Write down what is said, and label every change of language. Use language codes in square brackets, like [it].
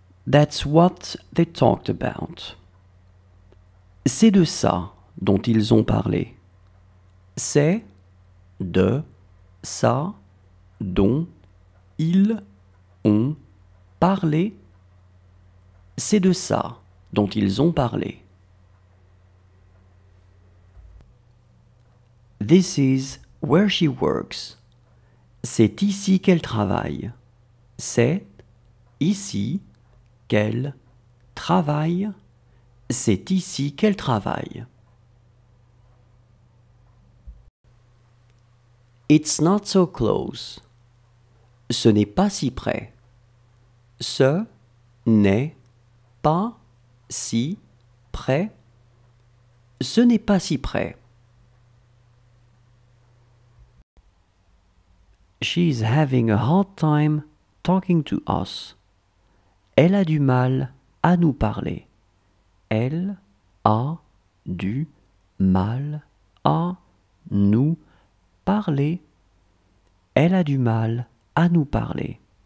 [en] That's what they talked about. [fr] C'est de ça dont ils ont parlé. C'est de ça dont ils ont parlé. C'est de ça dont ils ont parlé. [en] This is where she works. [fr] C'est ici qu'elle travaille. C'est ici qu'elle travaille. C'est ici qu'elle travaille. [en] It's not so close. [fr] Ce n'est pas si près. Ce n'est pas si près. Ce n'est pas si près. [en] She's having a hard time talking to us. [fr] Elle a du mal à nous parler. Elle a du mal à nous parler. Elle a du mal à nous parler.